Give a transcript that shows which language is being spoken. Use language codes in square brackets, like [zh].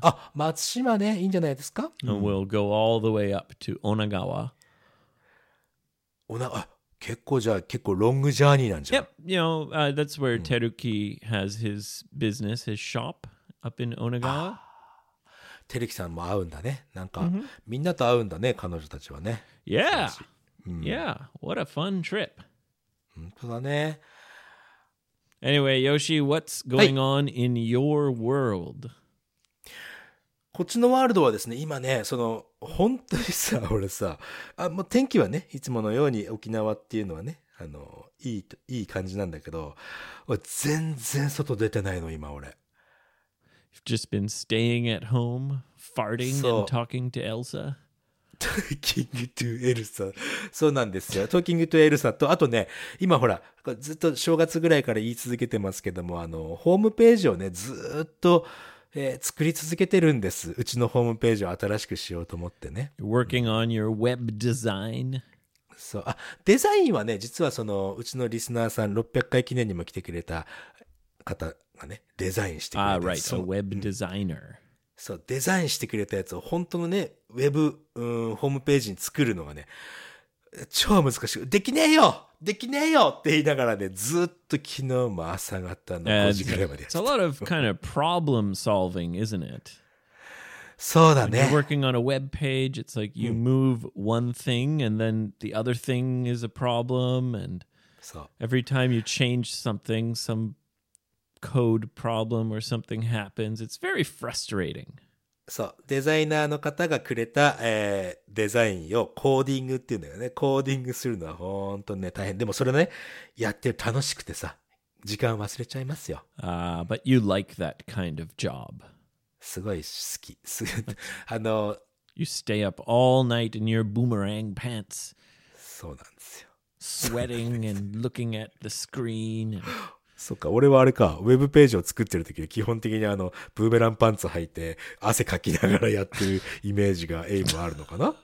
[ja] Ah, Matsushima, ne, いいんじゃないですか? [en] And we'll go all the way up to Onagawa. [ja] Onagawa, 結構じゃ、結構ロングジャーニーなんじゃ? [en] Yep, you know, that's where Teruki has his business, his shop up in Onagawa. [ja] Teruki さんも会うんだね。なんか、みんなと会うんだね、彼女たちはね。 [en] Yeah! Yeah, what a fun trip. Anyway, Yoshi, what's going on in your world? [ja] こっちのワールドはですね、今ね、その本当にさ、俺さ、あ、もう天気はね、いつものように沖縄っていうのはね、あの、いい感じなんだけど、俺全然外出てないの、今俺。 [en] You've just been staying at home, farting and talking to Elsa? Talking to Elsa. [ja] そうなんですよ。 [en] Talking to Elsa [ja] と、あとね、今ほら、ずっと正月ぐらいから言い続けてますけども、あの、ホームページをね、ずっと、作り続けてるんです。うちのホームページを新しくしようと思ってね。 [en] Working on your web design. [ja] そう。あ、デザインはね、実はその、うちのリスナーさん、600回記念にも来てくれた方がね、デザインしてくれて [en] る。Ah, right. A web designer. [ja] そうデザインしてくれたやつを本当のねウェブ、うん、ホームページに作るのがね超難しくできねえよできねえよって言いながらねずっと昨日も朝方の5時くらいまでやってた。 [en] It's a lot of kind of problem solving, isn't it? [ja] そうだね。 [en] You're working on a web page. It's like you move one thing and then the other thing is a problem and every time you change something, somecode problem or something happens. It's very frustrating. [ja] そう、デザイナーの方がくれた、デザインをコーディングっていうんだよね。コーディングするのは本当にね、大変。でもそれね、やって楽しくてさ、時間忘れちゃいますよ。 [en] But you like that kind of job. [ja] すごい好き。あの、 [en] You stay up all night in your boomerang pants. [ja] そうなんですよ。 [en] Sweating and looking at the screen. And... [ja] そっか、俺はあれか、ウェブページを作ってる時に基本的にあのブーメランパンツ履いて汗かきながらやってるイメージがエイムあるのかな。